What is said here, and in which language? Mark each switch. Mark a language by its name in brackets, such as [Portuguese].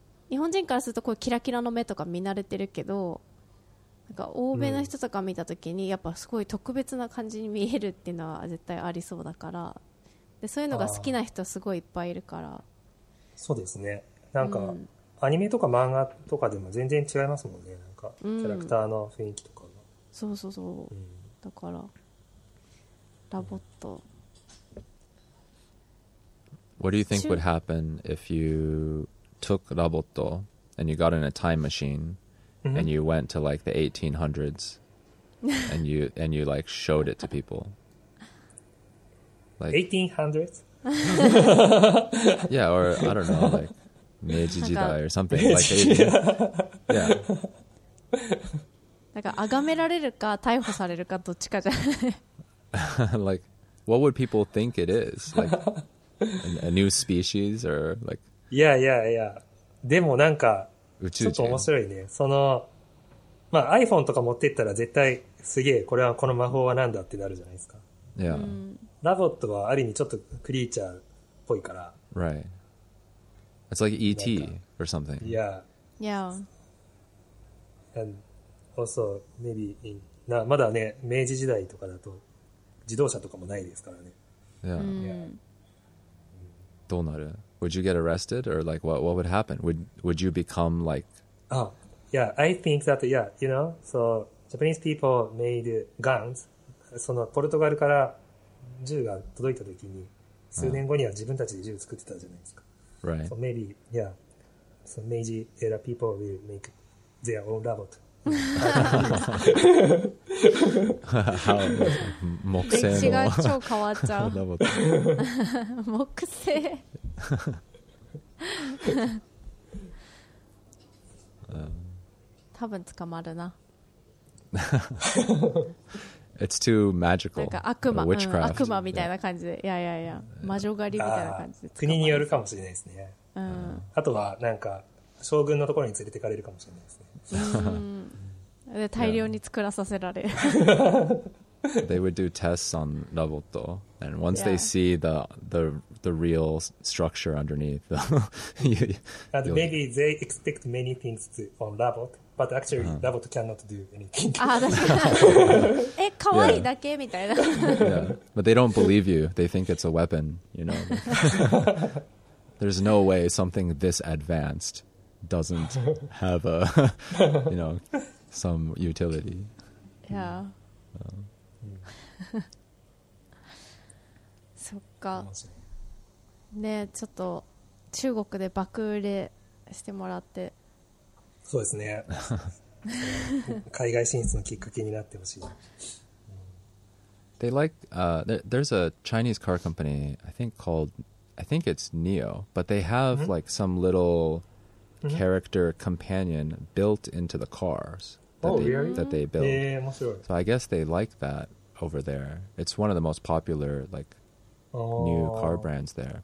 [Japanese] 日本人からするとこうキラキラの目とか見慣れてるけど、なんか欧米の人とか見た時にやっぱすごい特別な感じに見えるっていうのは絶対ありそうだから、でそういうのが好きな人すごいいっぱいいるから。そうですね、なんか、うん、アニメとか漫画とかでも全然違いますもんね、なんかキャラクターの雰囲気とかが、うん、そうそうそう、うん、だからラボット、うん、 [English] What do you think would happen if you took Roboto and you got in a time machineAnd you went to like the 1800s and you like showed it to people. Like, 1800s? Yeah, or I don't know, like Meiji Jidai or something. Like, yeah. [Japanese] なんか崇められるか逮捕されるかどっちかじゃない。 [English] Like, what would people think it is? Like, a new species or like... Yeah, yeah, yeah. [Japanese] でもなんか、ちょっと面白いね。その、まあ、iPhone とか持ってったら絶対すげえ、これはこの魔法は何だってなるじゃないですか。いや。ラボットはある意味ちょっとクリーチャーっぽいから。 [English] Right. It's like ET or something. Yeah. Yeah. And also, maybe in, [Japanese] なまだね、明治時代とかだと自動車とかもないですからね。 [English] Yeah. Yeah. [Japanese] どうなる？ [English] Would you get arrested or like what would happen? Would you become like... Oh, yeah, I think that, yeah, you know, so Japanese people made guns. [Japanese] そのポルトガルから銃が届いた時に数年後には自分たちで銃作ってたじゃないですか。 [English] Right. So maybe, yeah, so Meiji era people will make their own robot. How? [Japanese] 木製の。違う、超変わっちゃう。木製。多分捕まるな。 [English] It's too magical. [Japanese] なんか悪魔、 [English] witchcraft. [Japanese] 悪魔みたいな感じで、いやいやいや、魔女狩りみたいな感じで。国によるかもしれないですね。うん、あとはなんか将軍のところに連れてかれるかもしれないですね。うん、で大量に作らさせられ。 [English] They would do tests on Roboto, and once they see the real structure underneath, and maybe they expect many things from Robot, but actually Robot cannot do anything. Ah, that's right. [Japanese] え、可愛いだけみたいな。 [English] Yeah, but they don't believe you. They think it's a weapon. You know, there's no way something this advanced doesn't have a, you know, some utility. Yeah. [Japanese] そっかね、えちょっと中国で爆売れしてもらって、そうですね海外進出のきっかけになってほしい。 [English] They like there's a Chinese car company I think it's NIO, but they have like some little character companion built into the cars that they build. [Japanese] 面白い。 [English] So I guess they like that over there. It's one of the most popular likenew car brands there.